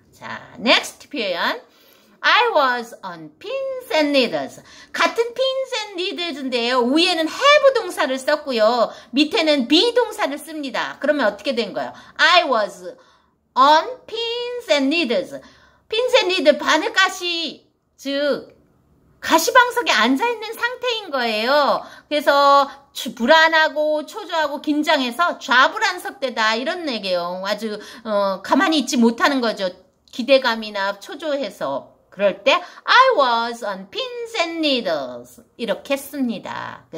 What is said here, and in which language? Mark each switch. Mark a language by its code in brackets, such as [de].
[ko] 자, next 표현. [en] I was on pins and needles. [ko] 같은 pins and needles인데요. 위에는 have 동사를 썼고요. 밑에는 be 동사를 씁니다. 그러면 어떻게 된 거예요? [en] I was on pins and needles. pins and needles, [ko] 바늘가시. 즉, 가시방석에 앉아있는 상태인 거예요. 그래서 불안하고 초조하고 긴장해서 좌불안석대다. 이런 얘기예요. 아주, 가만히 있지 못하는 거죠. 기대감이나 초조해서 그럴 때 [en] I was on pins and needles [ko] 이렇게 씁니다.